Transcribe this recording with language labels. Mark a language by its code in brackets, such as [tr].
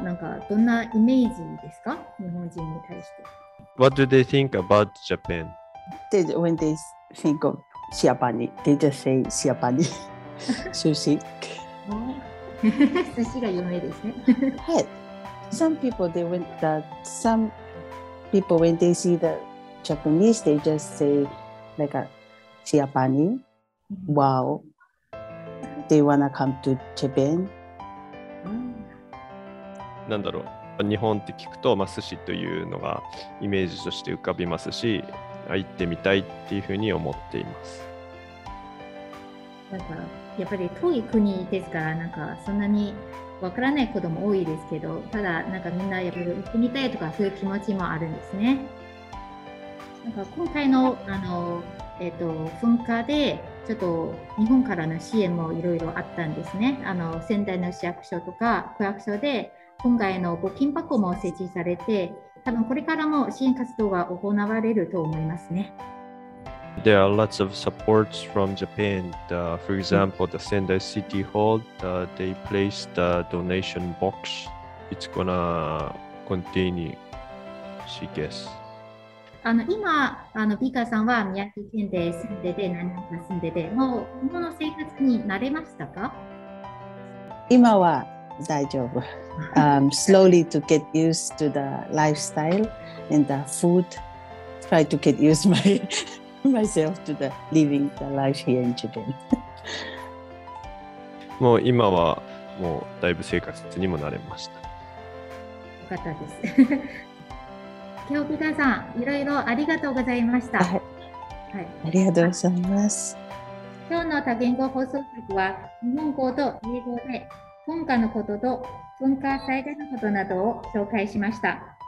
[ja] なんかどんなイメージですか？日本人に対して。 [en] What do they think about Japan? When they think of Japan, they just say Japan. [ja] 寿司寿司が有名ですね。はい。 [en] Some people they went that some people when they see the Japanese they just say like a Japani, wow, they wanna come to Japan. [ja] なんだろう。日本って聞くとまあ寿司というのがイメージとして浮かびますし、行ってみたいっていうふうに思っています。なんか。やっぱり遠い国ですからなんかそんなにわからないことも多いですけど、ただなんかみんなやっぱり行ってみたいとかそういう気持ちもあるんですね。なんか今回の、噴火でちょっと日本からの支援もいろいろあったんですね。あの仙台の市役所とか区役所で今回の募金箱も設置されて、多分これからも支援活動が行われると思いますね。 [en] There are lots of supports from Japan. For example, the Sendai City Hall, they placed a donation box. It's gonna continue, she guess. [ja] あの今あのビカさんは宮城県で住んでて、何年か住んでて、もう今の生活に慣れましたか？今は大丈夫。 [en] slowly to get used to the lifestyle and the food. Try to get used to my... myself to the living the life here in Japan. [ja] もう今はもうだいぶ生活にも慣れました。よかったです。今日ピカさん、いろいろありがとうございました。はい。はい、ありがとうございます。今日の多言語放送局は日本語と英語で文化のことと文化災害のことなどを紹介しました。